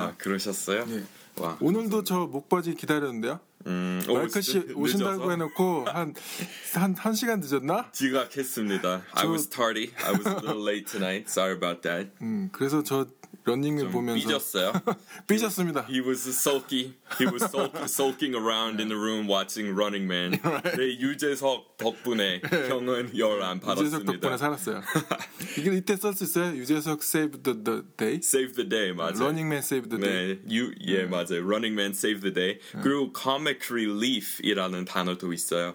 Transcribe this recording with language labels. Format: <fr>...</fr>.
<ko>아, 그러셨어요? 네. 와, 오늘도 저 목 빠지게 기다렸는데요. 마이크 씨 오신다고 해놓고 한 시간 늦었나? 지각했습니다. 저,</ko> <en>I was tardy. I was a little late tonight. Sorry about that.</en> <ko>그래서 저 런닝을 보면서 삐졌어요. 삐졌습니다.</ko> <en>He was sulky. He was sulking around in the room watching Running Man.</en> <ko>네, 유재석 덕분에 형은 열 안 받았습니다. 유재석 덕분에 살았어요. 이게 이때 쓸 수 있어요? 유재석</ko> <en>save the day. Save the day</en> <ko>맞아.</ko> <en>Running Man save the day.</en> <ko>네, 예 맞아.</ko> <en>Running Man save the day.</en> <ko>그리고 comic relief이라는 단어도 있어요.</ko>